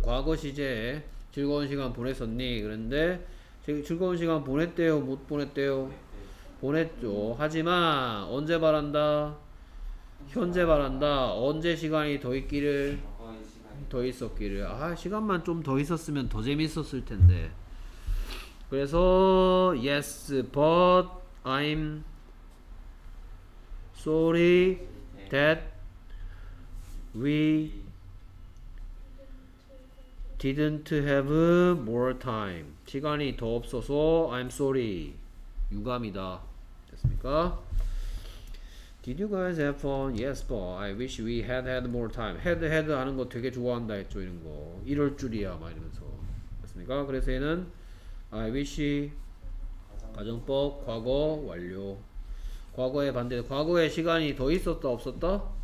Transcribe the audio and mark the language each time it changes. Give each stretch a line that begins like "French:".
Korean: 과거 시제에 즐거운 시간 보냈었니? 그런데 즐거운 시간 보냈대요? 못 보냈대요? 보냈죠. 하지만 언제 바란다? 현재 바란다. 언제 시간이 더 있기를? 더 있었기를. 아 시간만 좀 더 있었으면 더 재밌었을 텐데. 그래서
English: Yes, but I'm sorry that we didn't have more time.
Korean: 시간이 더 없어서
English: I'm sorry.
Korean: 유감이다. 됐습니까?
English: Did you guys have fun? Yes, but I wish we had more time.
Korean: Had 하는 거 되게 좋아한다 했죠, 이런 거. 이럴 줄이야, 막 이러면서. 됐습니까? 그래서 얘는 I wish 가정법 과거 완료. 과거에 반대, 과거에 시간이 더 있었다, 없었다?